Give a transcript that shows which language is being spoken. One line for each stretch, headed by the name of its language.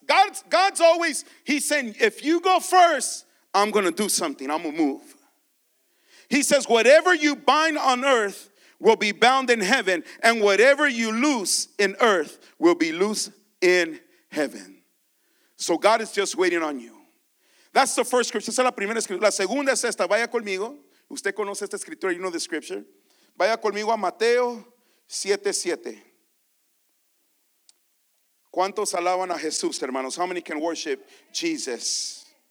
English: God's always, he's saying, if you go first, I'm going to do something. I'm going to move. He says, whatever you bind on earth will be bound in heaven, and whatever you loose in earth will be loose in heaven. So God is just waiting on you. That's the first scripture.
Spanish: Esa es la primera escritura. La segunda es esta. Vaya conmigo. Usted conoce esta escritura.
English: You know the scripture.
Spanish: Vaya conmigo a Mateo 7:7. ¿Cuántos alaban a Jesús, hermanos?
English: How many can worship Jesus?